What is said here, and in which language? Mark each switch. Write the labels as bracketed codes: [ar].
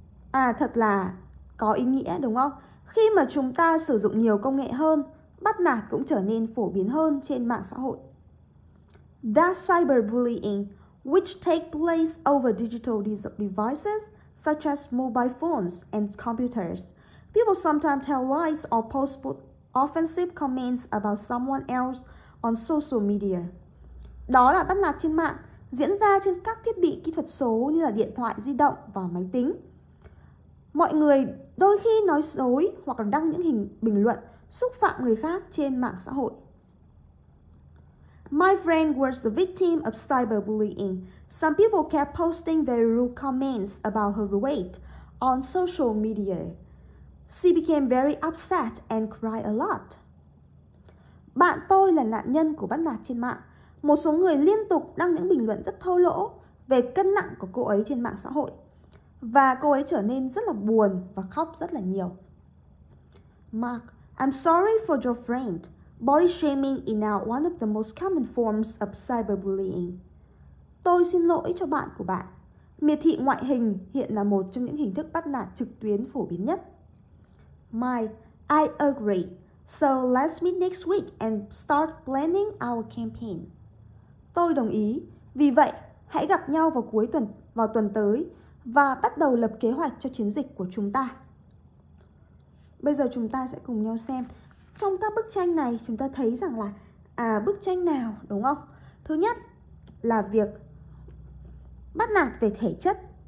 [vi] À, thật là có ý nghĩa đúng không? Khi mà chúng ta sử dụng nhiều công nghệ hơn, bắt nạt cũng trở nên phổ biến hơn trên mạng xã hội. [en] That cyberbullying, which takes place over digital devices such as mobile phones and computers. People sometimes tell lies or post offensive comments about someone else on social media. [vi] Đó là bắt nạt trên mạng, diễn ra trên các thiết bị kỹ thuật số như là điện thoại di động và máy tính. Mọi người đôi khi nói dối hoặc là đăng những hình bình luận xúc phạm người khác trên mạng xã hội. [en] My friend was a victim of cyberbullying. Some people kept posting very rude comments about her weight on social media. She became very upset and cried a lot. [vi] Bạn tôi là nạn nhân của bắt nạt trên mạng. Một số người liên tục đăng những bình luận rất thô lỗ về cân nặng của cô ấy trên mạng xã hội. Và cô ấy trở nên rất là buồn và khóc rất là nhiều. [en] Mark, I'm sorry for your friend. Body shaming is now one of the most common forms of cyberbullying. [vi] Tôi xin lỗi cho bạn của bạn. Miệt thị ngoại hình hiện là một trong những hình thức bắt nạt trực tuyến phổ biến nhất. [en] My, I agree. So let's meet next week and start planning our campaign. [vi] Tôi đồng ý. Vì vậy, hãy gặp nhau vào cuối tuần, vào tuần tới và bắt đầu lập kế hoạch cho chiến dịch của chúng ta. Bây giờ chúng ta sẽ cùng nhau xem trong các bức tranh này chúng ta thấy rằng là bức tranh nào đúng không? Thứ nhất là việc bắt nạt về thể chất.